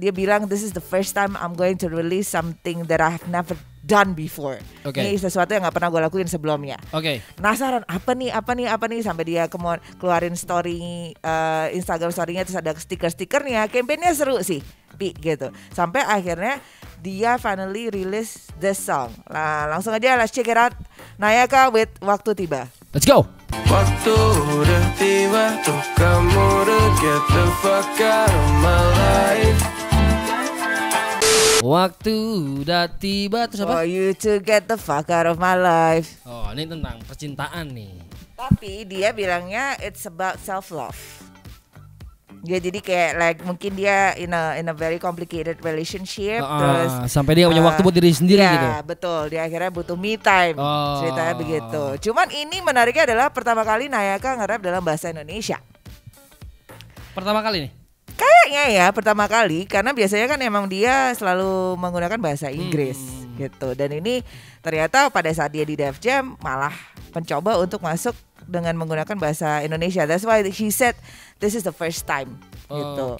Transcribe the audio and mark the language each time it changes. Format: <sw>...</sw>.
<id>Dia bilang</id> <en>this is the first time I'm going to release something that I've never done before. Okay.</en> <id>Ini sesuatu yang gak pernah gue lakuin sebelumnya. Oke. Penasaran apa nih sampai dia keluarin story Instagram story-nya terus ada stiker-stikernya. Kampanye-nya seru sih, Pi gitu. Sampai akhirnya dia</id> <en>finally release the song.</en> <id>Nah, langsung aja</id> <en>let's check it out.</en> <id>Nayaka with Waktu Tiba.</id> <en>Let's go.</en> <id>Waktu udah tiba tuh kamu</id> <en>get the fuck out of my life.</en> <id>Waktu udah tiba terus apa?</id> <en>For you to get the fuck out of my life.</en> <id>Oh, ini tentang percintaan nih. Tapi dia bilangnya</id> <en>it's about self love.</en> <id>Ya jadi kayak like mungkin dia</id> <en>in a very complicated relationship</en> <id>terus sampai dia punya waktu buat diri sendiri ya, gitu. Ya betul, dia akhirnya butuh me time. Ceritanya begitu. Cuman ini menariknya adalah pertama kali Nayaka ngerap dalam bahasa Indonesia. Pertama kali nih. Kayaknya ya pertama kali karena biasanya kan emang dia selalu menggunakan bahasa Inggris gitu. Dan ini ternyata pada saat dia di Def Jam malah mencoba untuk masuk dengan menggunakan bahasa Indonesia.</id> <en>That's why he said this is the first time</en> <id>gitu.</id>